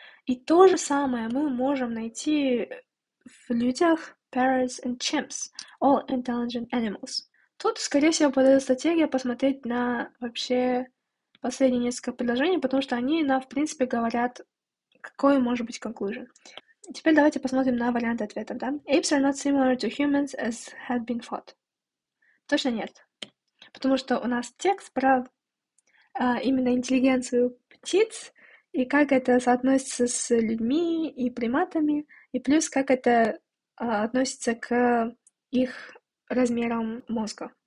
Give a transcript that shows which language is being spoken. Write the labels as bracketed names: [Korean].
[Russian] И то же самое мы можем найти в людях [English] Parrots and Chimps, All Intelligent Animals. [Russian] Тут, скорее всего, подойдет стратегия посмотреть на вообще последние несколько предложений, потому что они нам, в принципе, говорят, какой может быть conclusion. Теперь давайте посмотрим на варианты ответа, да? [English] Apes are not similar to humans as had been thought. [Russian] Точно нет. Потому что у нас текст про именно интеллигенцию птиц, и как это соотносится с людьми и приматами, и плюс как это относится к их размерам мозга.